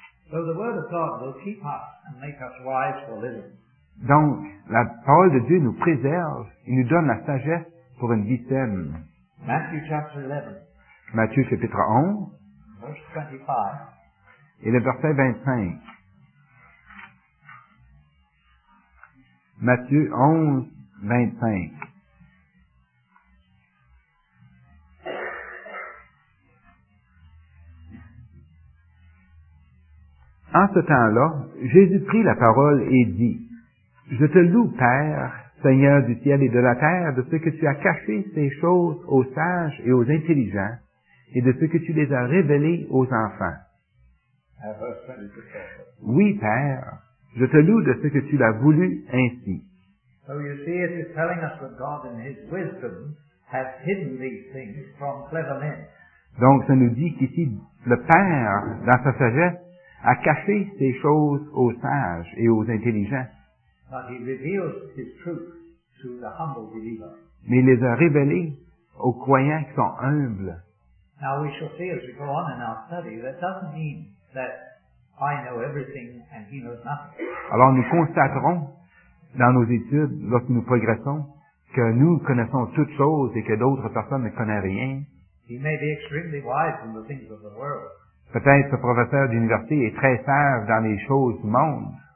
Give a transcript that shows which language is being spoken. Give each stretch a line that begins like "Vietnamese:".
English: So the Word of God will keep us and make us wise for living.
French: Donc, la parole de Dieu nous préserve et nous donne la sagesse pour une vie saine.
English: Matthew chapter 11.
French: Matthieu chapitre 11.
English: Verse 25.
French: Et le verset 25. Matthieu 11, 25. En ce temps-là, Jésus prit la parole et dit, « Je te loue, Père, Seigneur du ciel et de la terre, de ce que tu as caché ces choses aux sages et aux intelligents, et de ce que tu les as révélées aux enfants. » Oui, Père, je te loue de ce que tu l'as voulu ainsi.
English: So you see, it is telling us that God in His wisdom has hidden these things from clever men.
French: Donc, ça nous dit qu'ici, le Père, dans sa sagesse, a caché ces choses aux sages et aux intelligents.
English: But He reveals His truth to the humble believer.
French: Mais il les a révélées aux croyants qui sont humbles.
English: Now we shall see as we go on in our study, that doesn't mean that I know everything and He knows nothing.
French: Alors, nous constaterons dans nos études, lorsque nous progressons, que nous connaissons toutes choses et que d'autres personnes ne connaissent rien. Peut-être ce professeur d'université est très sage dans les choses du monde.